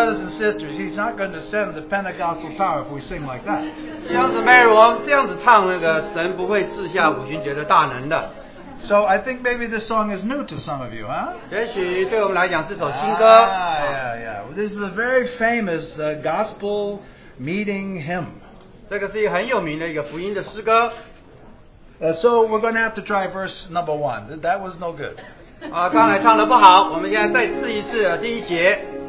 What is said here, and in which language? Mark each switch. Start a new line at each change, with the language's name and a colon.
English: sisters, he's not going to send the Pentecostal power if we sing like that.
Chinese: 这样子, Mary, 我这样子唱, 那个神不会赐下五旬节的大能的。
English: So I think maybe this song is new to some of you, huh?
Chinese: 也许对我们来讲是首新歌。
English: Well, this is a very famous gospel meeting hymn.
Chinese: 这个是一个很有名的一个福音的诗歌。
English: So we're going to have to try verse number one. That was no good.
Chinese: 刚才唱得不好，我们现在再试一试第一节。